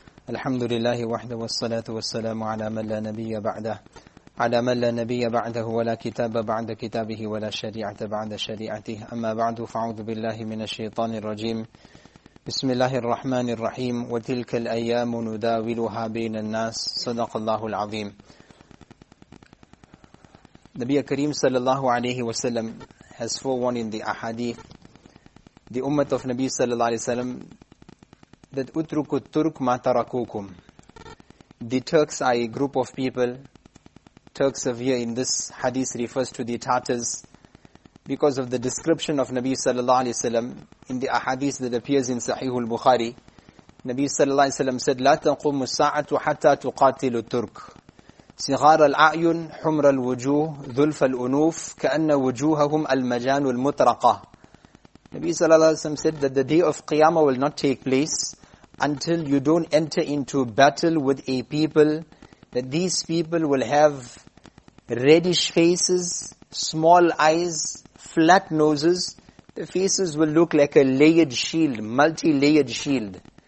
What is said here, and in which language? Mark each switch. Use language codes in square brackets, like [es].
[ar] الحمد لله وحده والصلاة والسلام على من لا نبي بعده على من لا نبي بعده ولا كتاب بعد كتابه ولا شريعة بعد شريعته. أما بعد، فأعوذ بالله من الشيطان الرجيم. بسم الله الرحمن الرحيم. وتلك الأيام نداولها بين الناس صدق الله العظيم. نبي كريم صلى الله عليه وسلم [en] has forewarned the ahadith, the ummah of Nabi صلى الله عليه وسلم, that [ar] utruku turk ma tarakukum. [en] The Turks are a group of people. Turks of here in this hadith refers to the Tatars, because of the description of Nabi sallallahu alaihi wasallam in the ahadith that appears in Sahih al-Bukhari. Nabi sallallahu alaihi wasallam said, [ar] لا تقوم الساعة حتى تقاتل الترك صغار الأعين حمر الوجوه ذلف الأنوف كأن وجوههم المجان المطرقة. [en] Nabi sallallahu alaihi wasallam said that the day of Qiyamah will not take place until you don't enter into battle with a people, that these people will have reddish faces, small eyes, flat noses. The faces will look like a layered shield, multi-layered shield.